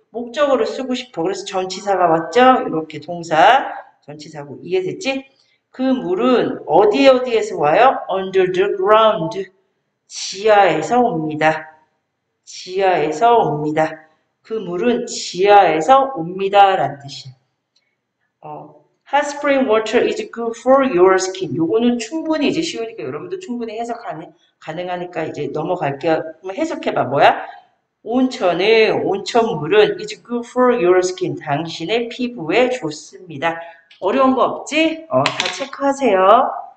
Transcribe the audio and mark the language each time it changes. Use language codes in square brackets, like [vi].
[ko] 목적어를 쓰고 싶어. 그래서 전치사가 왔죠? 이렇게 동사 전치사고 이해됐지? 그 물은 어디 어디에서 와요? [en] Under the ground. [ko] 지하에서 옵니다. 지하에서 옵니다. 그 물은 지하에서 옵니다라는 뜻이에요. [en] Hot spring water is good for your skin. [ko] 요거는 충분히 이제 쉬우니까 여러분도 충분히 해석 가능하니까 이제 넘어갈게요. 한번 해석해봐. 뭐야? 온천물은 [en] is good for your skin. [ko] 당신의 피부에 좋습니다. 어려운 거 없지? 다 체크하세요.